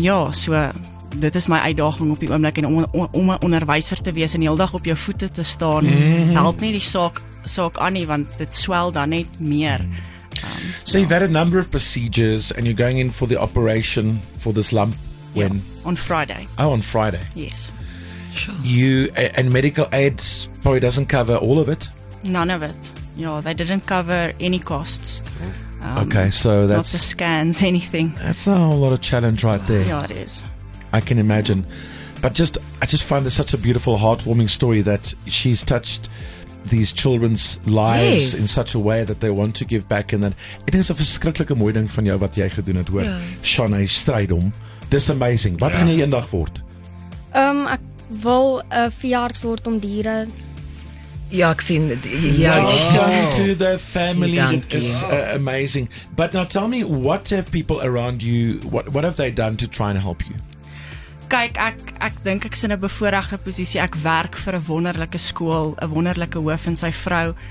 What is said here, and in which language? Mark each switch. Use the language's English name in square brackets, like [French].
[Afrikaans] So dit is my uitdaging op die oomblik en om 'n onderwyser te wees en die hele dag op jou voete te staan, help nie die saak aan nie, want dit swel dan net meer. [English] So you've had a number of procedures and you're going in for the operation for this lump when? Yeah, on Friday. Oh, on Friday. Yes. Sure. You and medical aid probably doesn't cover all of it? None of it. Yeah, they didn't cover any costs. Okay, so that's... Not the scans, anything. That's a whole lot of challenge right there. Yeah, it is. I can imagine. But just, I just find this such a beautiful, heartwarming story that she's touched these children's lives, yes, in such a way that they want to give back. And then it is a [Afrikaans] verskriklike mooi ding van jou wat jy gedoen het, hoor. [English] Yeah. [Afrikaans] Shawnee Stradom. [English] This amazing. [Afrikaans] Wat gaan jy eendag word? Ek wil 'n veearts word om diere. Ja, ek sien. [English] Welcome to the family. Dank you. Amazing. But now tell me, what have people around you, what have they done to try and help you? [Afrikaans] Kyk, ek dink ek is in 'n bevoorregte posisie. Ek werk vir 'n wonderlike skool, 'n wonderlike hoof en sy vrou.